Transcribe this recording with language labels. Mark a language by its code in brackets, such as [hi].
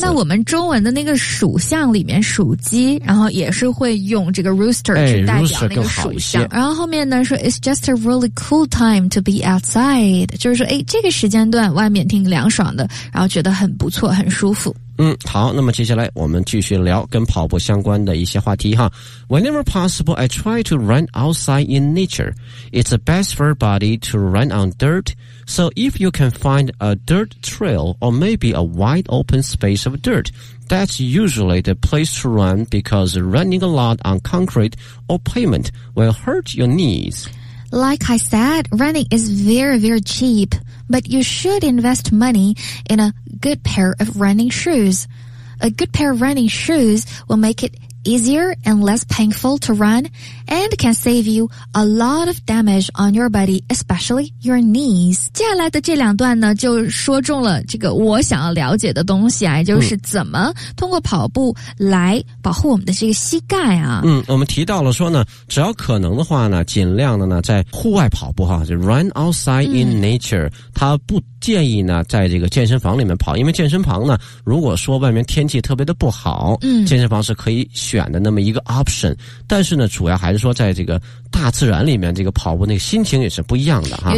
[zh] 那我们中文的那个属相里面，属鸡，然后也是会用这个 rooster 去代表那个属相。哎、rooster 更好一些。然后后面呢说 [en] it's just a really cool time to be outside， [zh] 就是说哎，这个时间段外面挺凉爽的，然后觉得很不错，很舒服。好，那么接下来我们继续聊跟跑步相关的一些话题哈。 [en] Whenever possible, I try to run outside in nature. It's the best for body to run on dirt. So if you can find a dirt trail or maybe a wide open space of dirt, that's usually the place to run because running a lot on concrete or pavement will hurt your knees. Like I said, running is very, very cheap, but you should invest money in a good pair of running shoes. A good pair of running shoes will make it easier and less painful to run and can save you a lot of damage on your body, especially your knees. [zh] 接下来的这两段呢就说中了这个我想要了解的东西啊，就是怎么通过跑步来保护我们的这个膝盖啊。我们提到了说呢，只要可能的话呢，尽量的呢在户外跑步哈，就 [en] run outside in nature， [zh] 它不建议呢在这个健身房里面跑，因为健身房呢如果说外面天气特别的不好，健身房是可以选的那么一个 option， 但是呢主要还是说在这个大自然里面这个跑步那个心情也是不一样的哈。